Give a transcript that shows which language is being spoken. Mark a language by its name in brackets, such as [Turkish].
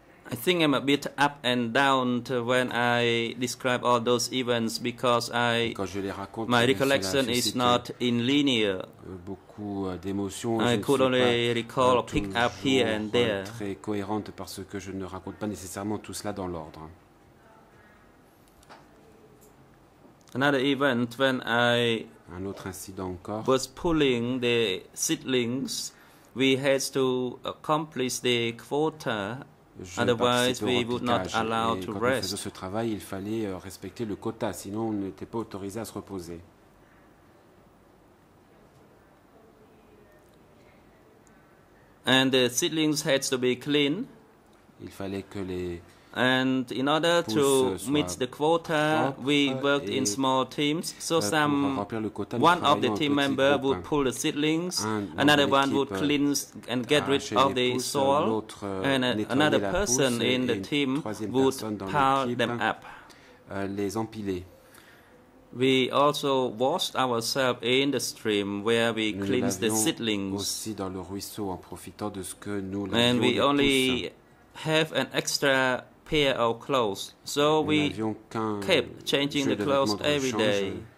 [English] I think I'm a bit up and down when I describe all those events because I [French] quand je les raconte, [English] my recollection is not in linear. [French] Beaucoup d'émotions. [English] I could only recall or pick up here and there. [French] Très cohérente parce que je ne raconte pas nécessairement tout cela dans l'ordre. [English] Another event when I [French] un autre incident encore. [English] Was pulling the seedlings, we had to accomplish the quota. Otherwise, we would not allow to rest. [French] Quand on faisait ce travail, il fallait respecter le quota, sinon on n'était pas autorisé à se reposer. [English] And the seedlings had to be clean. [French] Il fallait que les [English] and in order to meet the quota, we worked in small teams. So some one of the team members would pull the seedlings, another one would clean and get rid of the soil, and another person in the team would pile them up. [French] Les empiler. [English] We also washed ourselves in the stream where we cleansed the seedlings. [French] Aussi dans le ruisseau en profitant de ce que nous l'avions [English] and we only have an extra pair of clothes, so we kept changing the clothes every day.